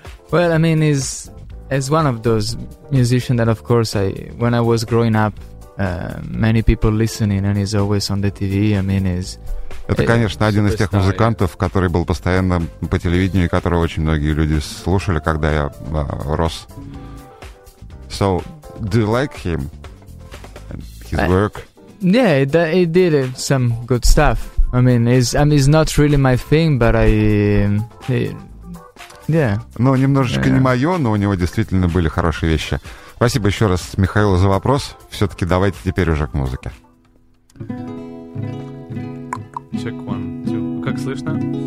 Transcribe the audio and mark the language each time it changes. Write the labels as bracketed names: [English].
[English] Well, I mean, he's as one of those musicians that, of course, when I was growing up, many people listening, and he's always on the TV. I mean, he's [Russian] Это, конечно, один из тех музыкантов, который был постоянно по телевидению, и которого очень многие люди слушали, когда я рос. [English] So, do you like him? His work? Yeah, he did some good stuff. I mean, it's not really my thing, but [Russian] Ну, немножечко не мое, но у него действительно были хорошие вещи. Спасибо еще раз Михаилу за вопрос. Все-таки давайте теперь уже к музыке. [English] Check one, two. [Russian] Как слышно?